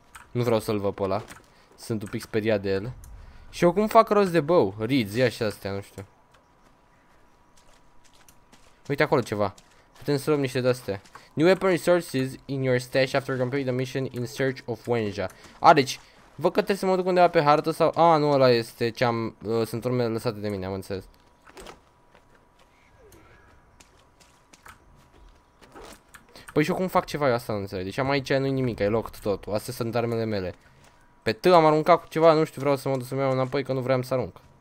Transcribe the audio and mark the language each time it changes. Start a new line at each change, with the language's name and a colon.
Romanian: Nu vreau să-l văd pe ăla. Sunt un pic speriat de el. Și eu cum fac rost de bow? Reeds, ia și astea, nu știu. Uite acolo ceva. Putem să luăm niște de-astea.
English: New weapon resources in your stash after completing the mission in search of Wenja.
Romanian: A, deci, văd că trebuie să mă duc undeva pe hartă sau... A, nu, ăla este ce am... sunt urmele lăsate de mine, am înțeles. Păi și eu cum fac ceva eu asta, nu înțeleg. Deci am aici, nu-i nimic, e locked totul. Astea sunt armele mele. Pe T am aruncat cu ceva, nu știu, vreau să mă duc să-mi iau înapoi, că nu vreau să arunc.